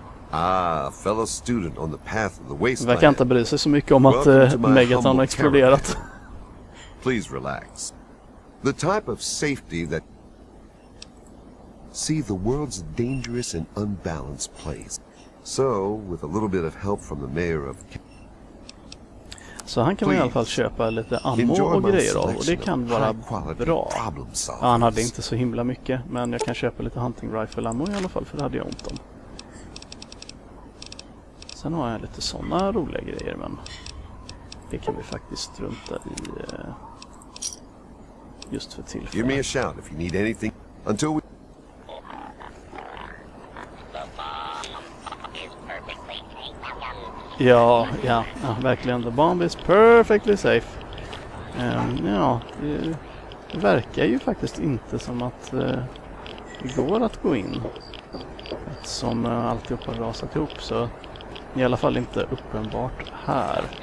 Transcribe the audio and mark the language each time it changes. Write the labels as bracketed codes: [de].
[en] Ah, fellow student on the path of the wasteland. [sv] Jag verkar inte bry sig så mycket om att Megaton har exploderat. [en] Please relax. The type of safety that... See, the world's dangerous and unbalanced place. So, with a little bit of help from the mayor of... [sv] Så han kan i alla fall köpa lite ammo och grejer av, och det kan vara bra. Ja, han hade inte så himla mycket, men jag kan köpa lite hunting rifle ammo i alla fall, för det hade jag ont om. Sen har jag lite såna roliga grejer, men det kan vi faktiskt strunta i just för tillfället. [en] Give me a shout if you need anything. Until we... [sv] Ja, ja, ja, verkligen. [en] The bomb is perfectly safe. [sv] Ja, det verkar ju faktiskt inte som att det går att gå in. Eftersom alltihop har rasat ihop, så i alla fall inte uppenbart här.